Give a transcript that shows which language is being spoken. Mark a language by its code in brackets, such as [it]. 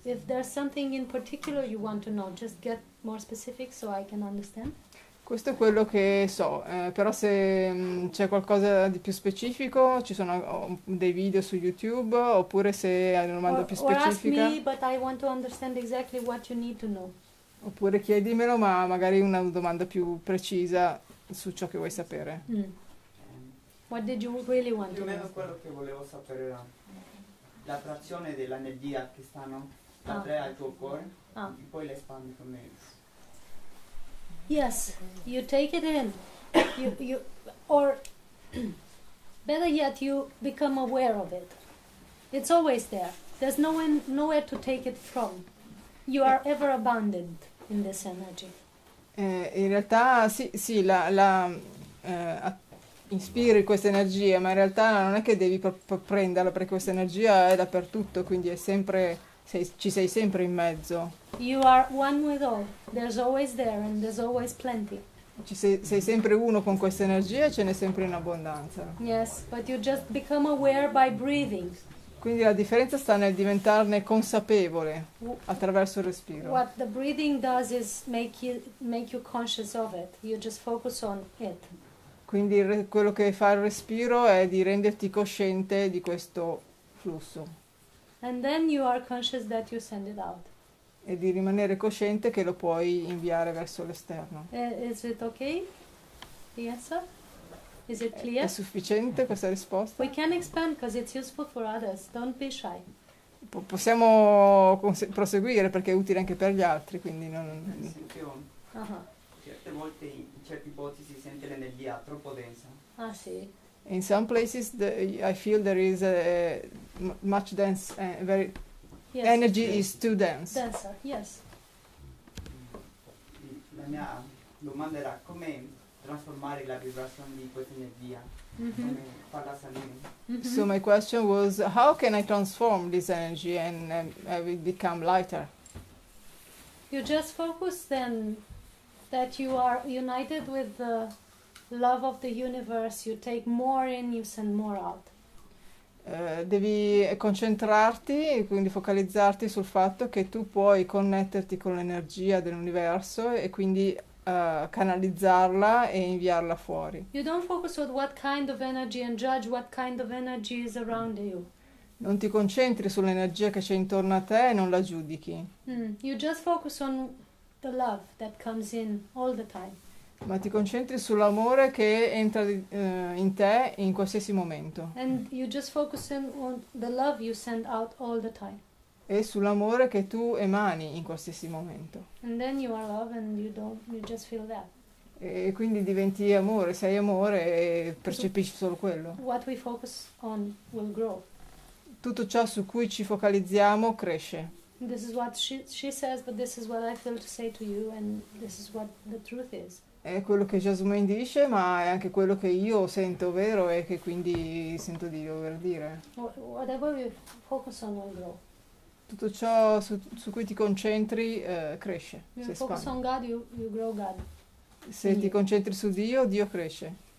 [en] If there's something in particular you want to know, just get more specific so I can understand. [it] Questo è quello che so, però se c'è qualcosa di più specifico, ci sono dei video su YouTube, oppure se hai una domanda più specifica. [en] Or ask me, but I want to understand exactly what you need to know. [it] Oppure chiedimelo, ma magari una domanda più precisa su ciò che vuoi sapere. [en] Mm. What did you really want to know? [it] Più o meno quello che volevo sapere era la trazione dell'energia che stanno da tre al tuo cuore e poi le espandi con me. [en] Yes, you take it in. You or better yet, you become aware of it. It's always there. There's nowhere to take it from. You are ever abundant in this energy. [it] In realtà sì la inspiri questa energia, ma in realtà non è che devi prenderla, perché questa energia è dappertutto, quindi è sempre ci sei sempre in mezzo. [en] You are one with all. There's always there and there's always plenty. [it] Sei sempre uno con questa energia e ce n'è sempre in abbondanza. [en] Yes, but you just become aware by breathing. [it] Quindi la differenza sta nel diventarne consapevole attraverso il respiro. [en] What the breathing does is make you conscious of it. You just focus on it. [it] Quindi quello che fa il respiro è di renderti cosciente di questo flusso. [en] And then you are conscious that you send it out. [it] E di rimanere cosciente che lo puoi inviare verso l'esterno. [en] Is it okay? the answer? Is it clear? [it] È sufficiente questa risposta? [en] We can expand because it's useful for others. Don't be shy. [it] Possiamo proseguire perché è utile anche per gli altri, quindi non. Certe volte in certi posti si sente l'energia troppo densa. Ah sì. [en] In some places I feel there is much dense very yes. Energy is too dense. Denser, yes. [it] La mia domanda era come trasformare la vibrazione di questa energia. Mm-hmm. [en] So my question was, how can I transform this energy and I will become lighter? You just focus then that you are united with the love of the universe, you take more in, you send more out. [it] Devi concentrarti, quindi focalizzarti sul fatto che tu puoi connetterti con l'energia dell'universo e quindi canalizzarla e inviarla fuori. [en] You don't focus on what kind of energy and judge what kind of energy is around you. [it] Non ti concentri sull'energia che c'è intorno a te e non la giudichi. [en] You just focus on the love that comes in all the time. [it] Ma ti concentri sull'amore che entra in te in qualsiasi momento. [en] And you just focus on the love you send out all the time. [it] E sull'amore che tu emani in qualsiasi momento. [en] And then you are love and you don't, you just feel that. [it] E quindi diventi amore, sei amore e percepisci solo quello. [en] What we focus on will grow. [it] Tutto ciò su cui ci focalizziamo cresce. [en] This is what she says, but this is what I feel to say to you, and this is what the truth is. [it] È quello che Jasmine dice, ma è anche quello che io sento vero e che quindi sento di dover dire. [en] Whatever we focus on will grow. [it] Tutto ciò su cui ti concentri cresce. [en] You focus spagna. On God, you grow God. [it] Se ti concentri su Dio, Dio cresce.